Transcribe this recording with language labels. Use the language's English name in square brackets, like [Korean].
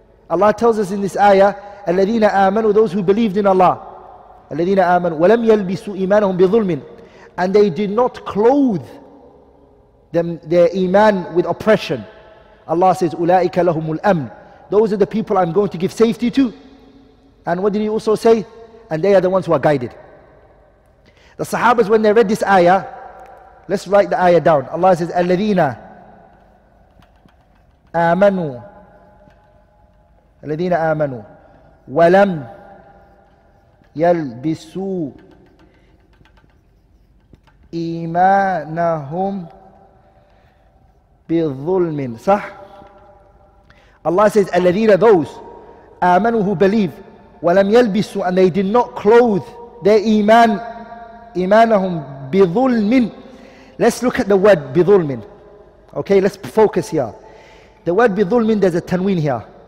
[English] Allah tells us in this ayah, [Arabic] الذين آمنوا, [English] those who believed in Allah, [Arabic] الذين آمنوا ولم يلبسوا إيمانهم بظلم, [English] and they did not clothe them their iman with oppression. Allah says [Arabic] أولئك لهم الأمن, [English] those are the people I'm going to give safety to. And what did he also say? And they are the ones who are guided. The Sahabas, when they read this ayah, let's write the ayah down. Allah says, [Arabic] الَّذِينَ آمَنُوا الَّذِينَ آمَنُوا وَلَمْ يَلْبِسُوا إِيمَانَهُمْ بِظُلْمٍ. صح? [English] Allah says, الَّذِينَ, those آمَنُوا who believe, [Arabic] وَلَمْ يَلْبِسُوا, [English] and they did not clothe their iman, imanahum بِظُلْمٍ. Let's look at the word بِظُلْمٍ. Okay, let's focus here. The word بِظُلْمٍ, there's a tanween here.